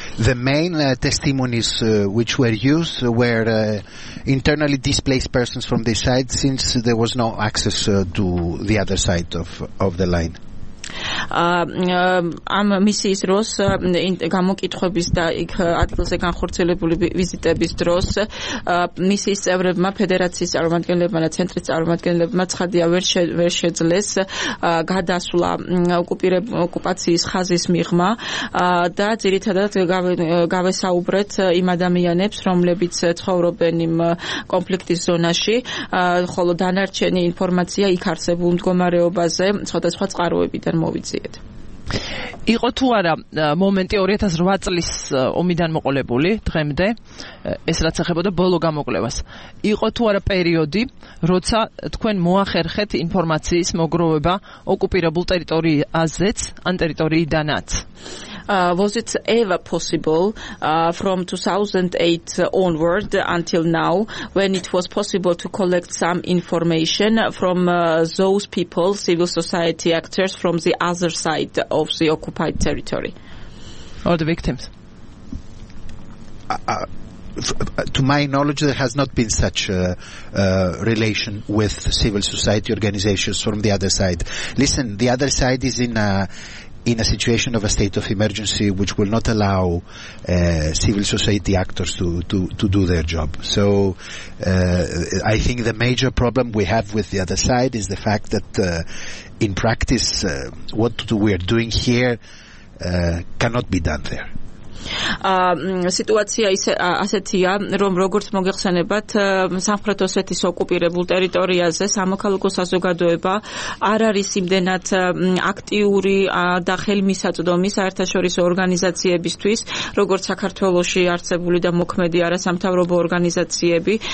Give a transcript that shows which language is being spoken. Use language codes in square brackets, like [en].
[en] The main testimonies which were used were internally displaced persons from this side, since there was no access to the other side of the line. [ka] ამ მისიის დროს, გამოკითხების და იქ ადგილზე განხორციელებული ვიზიტების დროს, მისიის წევრებმა, ფედერაციის წარმომადგენლებმა და ცენტრის წარმომადგენლებმა ცხადია ვერ შეძლეს გადასვლა ოკუპაციის ხაზის მიღმა და ძირითადად გავესაუბრეთ იმ ადამიანებს, რომლებიც ცხოვრობენ იმ კონფლიქტის ზონაში, ხოლო დანარჩენი ინფორმაცია იქ არსებულ მდგომარეობაზე სხვადასხვა წყაროებიდან მოვიციეთ. იყო თუ არა მომენტი 2008 წლის ომიდან მოყოლებული დღემდე, ეს რაც ახებოდა ბოლო გამოკვლევას, იყო თუ არა პერიოდი, როცა თქვენ მოახერხეთ ინფორმაციის მოგროვება ოკუპირებულ ტერიტორიაზეც, ან ტერიტორიიდანაც? [en] Was it ever possible from 2008 onward until now, when it was possible to collect some information from those people, civil society actors from the other side of the occupied territory? Or the victims? To my knowledge, there has not been such a relation with civil society organizations from the other side. Listen, the other side is in a situation of a state of emergency which will not allow civil society actors to do their job. So I think the major problem we have with the other side is the fact that in practice what we are doing here cannot be done there. [ka] Სიტუაცია ასეთია, რომ როგორც მოგეხსენებათ, სამხრეთ ოსეთის ოკუპირებულ ტერიტორიაზე სამოქალაქო საზოგადოება არ არის იმდენად აქტიური და ხელმისაწვდომი საერთაშორისო ორგანიზაციებისთვის, როგორც საქართველოში არსებული და მოქმედი არასამთავრობო ორგანიზაციები.